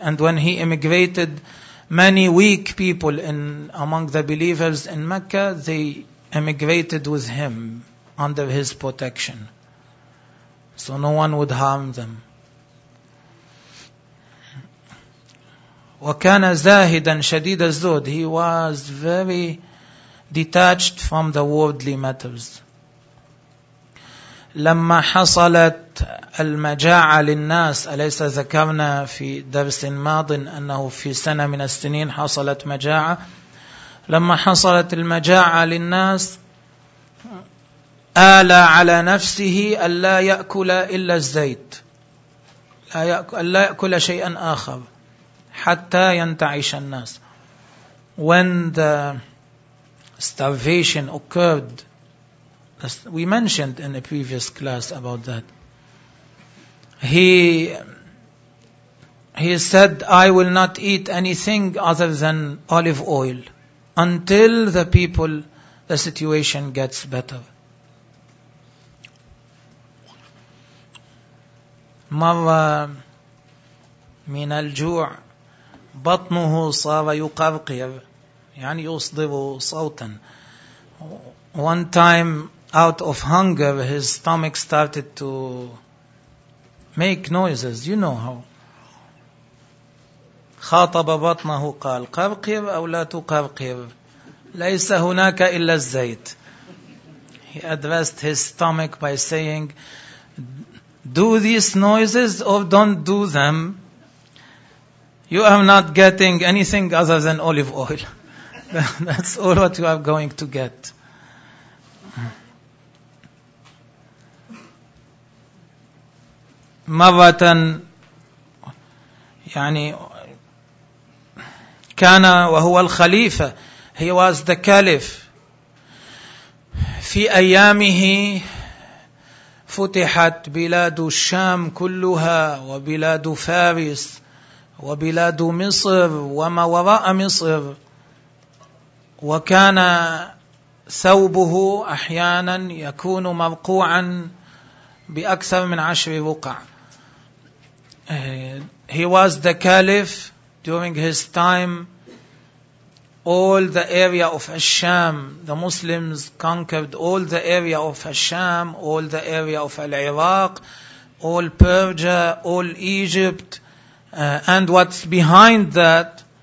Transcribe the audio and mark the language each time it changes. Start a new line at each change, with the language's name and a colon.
English: And when he emigrated, many weak people in among the believers in Mecca, they emigrated with him under his protection, so no one would harm them.
Arabic: وكان زاهدا شديد الزهد.
English: He was very detached from the worldly matters.
Arabic: لما حصلت المجاعة للناس, أليس ذكرنا في درس ماض أنه في سنة من السنين حصلت مجاعة. لما حصلت المجاعة للناس آلى على نفسه ألا يأكل إلا الزيت, ألا يأكل شيئا آخر حتى ينتعش الناس.
English: When the starvation occurred, we mentioned in a previous class about that, He said, I will not eat anything other than olive oil until the people, the situation gets better.
Arabic: مر من الجوع بطنه صار يقرقر, يعني يصدر صوتا.
English: One time out of hunger, his stomach started to make noises. You know how.
Arabic: خاطب بطنه قال قرقر أو لا تقرقر ليس هناك إلا الزيت.
English: He addressed his stomach by saying, do these noises or don't do them. You are not getting anything other than olive oil. That's all what you are going to get.
Arabic: مرة يعني كان وهو الخليفة,
English: he was the caliph.
Arabic: في أيامه فتحت بلاد الشام كلها وبلاد فارس وبلاد مصر وما وراء مصر، وكان ثوبه أحيانا يكون مرقوعا بأكثر من 10 رقع.
English: He was the caliph during his time. All the area of Al-Sham, the Muslims conquered all the area of Al-Sham, all the area of Al-Iraq, all Persia, all Egypt, and what's behind that.